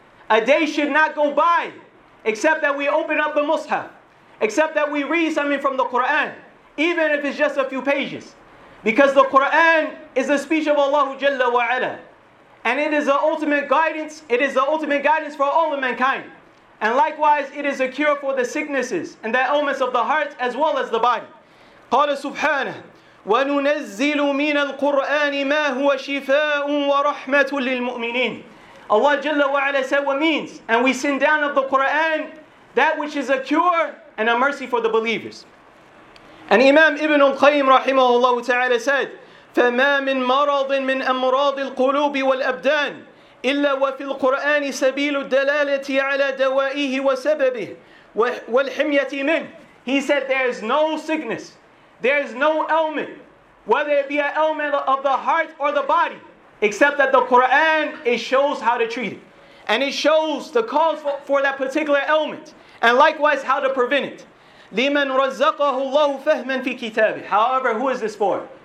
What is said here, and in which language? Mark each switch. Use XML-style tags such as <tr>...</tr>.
<en>A day should not go by except that we open up the mushaf, except that we read something from the Qur'an, even if it's just a few pages. Because the Qur'an is the speech of Allah Jalla wa Ala. And it is the ultimate guidance, it is the ultimate guidance for all of mankind. And likewise, it is a cure for the sicknesses and the ailments of the heart as well as the body.</en> <ar>قال سبحانه وننزل من القرآن ما هو شفاء ورحمة للمؤمنين.</ar> <en>Allah Jalla wa Ala said what means, and we send down of the Quran that which is a cure and a mercy for the believers. And Imam Ibn al-Qayyim rahimahullah ta'ala said,</en> <ar>فما من مرض من أمراض القلوب والأبدان إلا وفي القرآن سبيل الدلالة على دوائه وسببه والحمية منه.</ar> <en>He said there is no sickness, there is no ailment, whether it be an ailment of the heart or the body, except that the Qur'an, it shows how to treat it. And it shows the cause for that particular ailment, and likewise how to prevent it.</en> <ar>لِمَنْ رَزَّقَهُ اللَّهُ فَهْمًا فِي كِتَابِهِ.</ar> <en>However, who is this for?</en>